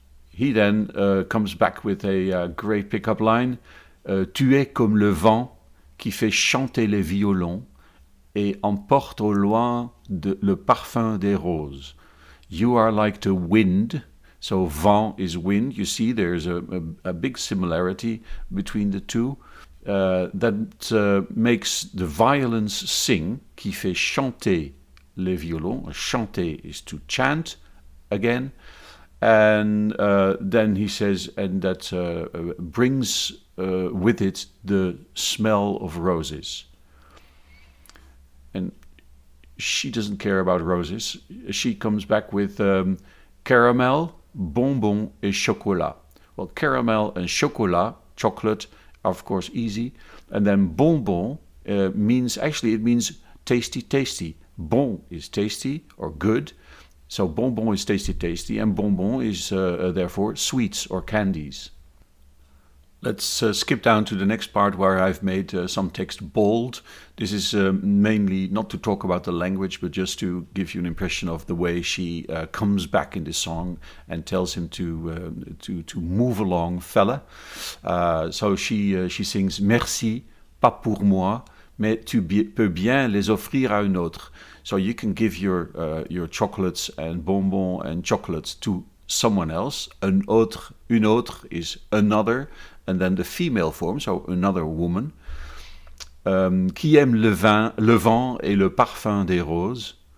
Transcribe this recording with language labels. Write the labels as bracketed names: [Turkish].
[English] He then comes back with a great pickup line. [French] Tu es comme le vent qui fait chanter les violons et emporte au loin le parfum des roses. [English] You are like the wind. So vent is wind. You see, there's a big similarity between the two. That makes the violins sing. [French] Qui fait chanter les violons. [English] Chanter is to chant again. And then he says, and that brings with it the smell of roses. And she doesn't care about roses. She comes back with [French] caramel, bonbon, et chocolat. [English] Well, caramel and chocolate, are of course easy. And then bonbon means tasty, tasty. Bon is tasty or good. So bonbon is tasty, tasty, and bonbon is therefore sweets or candies. Let's skip down to the next part where I've made some text bold. This is mainly not to talk about the language, but just to give you an impression of the way she comes back in this song and tells him to move along, fella. So she sings, [French] merci, pas pour moi, mais tu peux bien les offrir à un autre. [English] So you can give your chocolates and bonbons and chocolates to someone else. Une autre is another, and then the female form, so another woman. [French] Qui aime le vent et le parfum des roses?